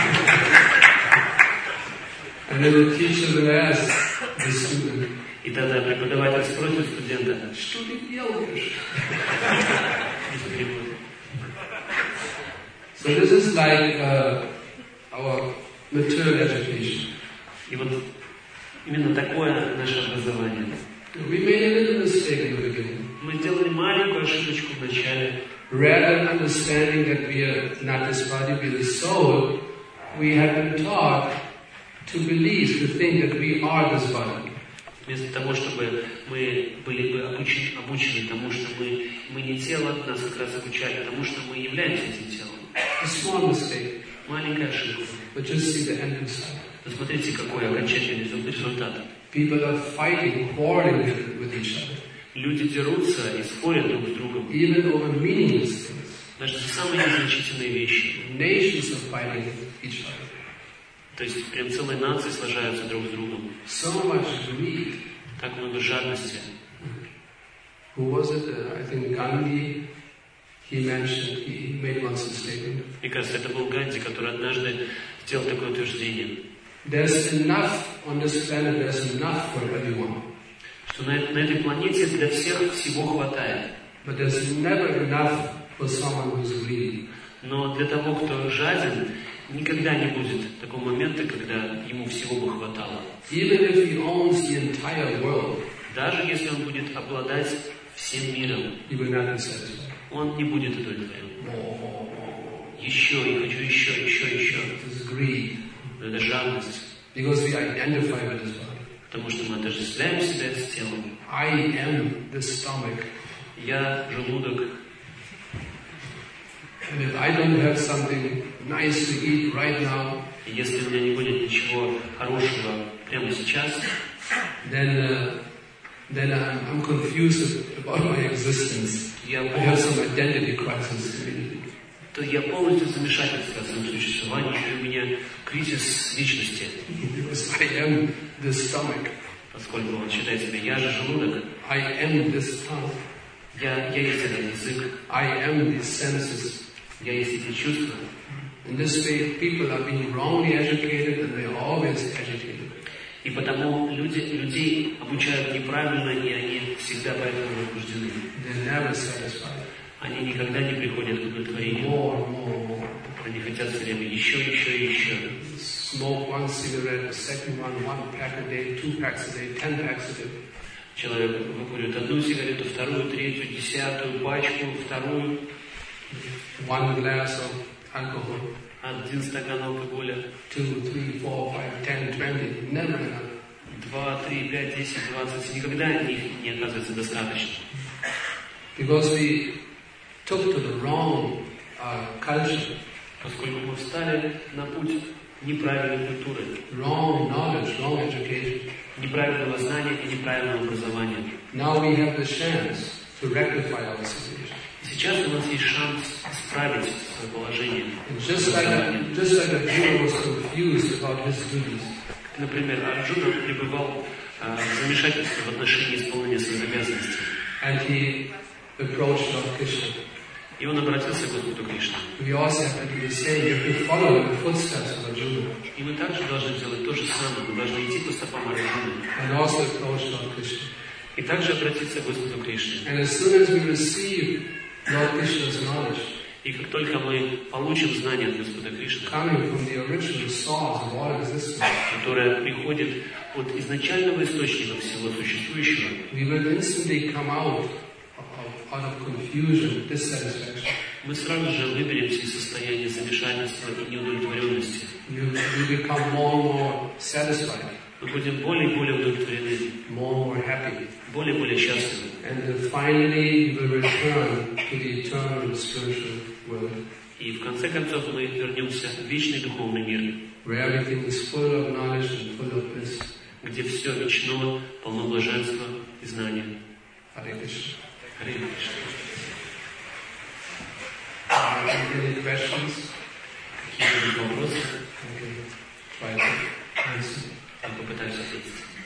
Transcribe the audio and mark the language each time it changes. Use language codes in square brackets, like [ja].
[en] And then the teacher will ask the student. [ru] И тогда преподаватель спросит студента. Что ты делаешь? [en] So this is like our mature education. [ru] И вот именно такое наше образование. [en] We made a little mistake in the beginning. [ru] Мы сделали маленькую ошибочку вначале. [en] Rather than understanding that we are not this body, we are the soul, we have been taught to believe, to think that we are this body. [ru] Вместо того, чтобы мы были бы обучены тому, что мы не тело, нас как раз обучали тому, что мы являемся этим телом. [en] A small mistake. [ru] Маленькая ошибка. [en] But just see the end result. [ru] Посмотрите, какой окончательный результат. [en] People are fighting, quarreling with each other. [ru] Люди дерутся и спорят друг с другом. [en] Even over meaningless things. [ru] Даже самые незначительные вещи. [en] Nations are fighting each other. [ru] То есть прям целые нации сражаются друг с другом. [en] So much greed. [ru] Так много жадности. [en] Who was it? I think Gandhi. He mentioned. He made once a statement. [ru] Мне кажется, это был Ганди, который однажды сделал такое утверждение. [en] There's enough on this planet. There's enough for everyone. [ru] Что на этой планете для всех всего хватает. [en] But there's never enough for someone who's greedy. [ru] Но для того, кто жаден, никогда не будет такого момента, когда ему всего бы хватало. [en] Even if he owns the entire world, [ru] даже если он будет обладать всем миром, [en] he will not be satisfied. [ru] Он не будет удовлетворен. Еще, я хочу еще, еще, еще. [en] This is greed. [ru] Это жадность. [en] Because we identify with this body. [ru] Потому что мы отождествляем себя с телом. [en] I am the stomach. [ru] Я желудок. [en] And if I don't have something nice to eat right now, [ru] если у меня не будет ничего хорошего прямо сейчас, [en] then I'm confused about my existence. I have some identity crisis. [ru] То я полностью в замешательстве в своем существовании, и у меня кризис личности. [en] I am the stomach. [ru] Поскольку он считает себя, я же желудок. [en] I am the tongue. [ru] Я есть этот язык. [en] I am the senses. [ru] Я есть эти чувства. [en] In this way, people are being wrongly educated, and they are always agitated. [ru] И потому людей обучают неправильно, и они всегда поэтому возбуждены. [en] They're never satisfied. [ru] Они никогда не приходят к удовлетворению. Они хотят все время еще, еще, еще. [en] Smoke one cigarette, a second one pack a day, two packs a day, 10 packs a day. [ru] Человек выкурит одну сигарету, вторую, третью, десятую пачку, вторую. [en] One glass of alcohol. [ru] Один стакан алкоголя. [en] Two, three, four, five, 10, 20. Never enough. [ru] Два, три, пять, 10, 20. Никогда их не оказывается достаточно. [en] Because we took to the wrong culture, [ru] поскольку мы встали на путь неправильной культуры, [en] wrong knowledge, wrong education, [ru] неправильного знания и неправильного образования. [en] Now we have the chance to rectify our situation. [ru] Сейчас у нас есть шанс исправить свое положение. [en] Just like Arjuna was confused about his duties. [ru] Например, Арджуна пребывал в замешательстве в отношении исполнения своих обязанностей. [en] And he approached Lord Krishna. [ru] И он обратился к Господу Кришне. [en] We also have to be saying that we follow the footsteps of Arjuna. [ru] И мы также должны делать то же самое. Мы должны идти по стопам Арджуны. [en] And also approach Lord Krishna. [ru] И также обратиться к Господу Кришне. [en] And as soon as we receive Lord Krishna's knowledge, [ru] и как только мы получим знание от Господа Кришны, [en] coming from the original source of all existence, [ru] которое приходит от изначального источника всего существующего, [en] we will instantly come out of confusion, dissatisfaction. [ru] Мы сразу же выберемся из состояния замешательства и неудовлетворенности. [en] You become more and more satisfied. [ru] мы будем более и более удовлетворены, [en] more happy, [ru] более и более счастливы. [en] And finally we return to the eternal spiritual world. [ru] И в конце концов мы вернемся в вечный духовный мир, [en] where everything is full of knowledge and full of bliss, [ru] где все вечно, полно блаженства и знания. [sa] Hare Krishna. Hare Krishna. [en] Are there any questions? [ru] Какие-либо вопросы? Okay. Я попытаюсь ответить.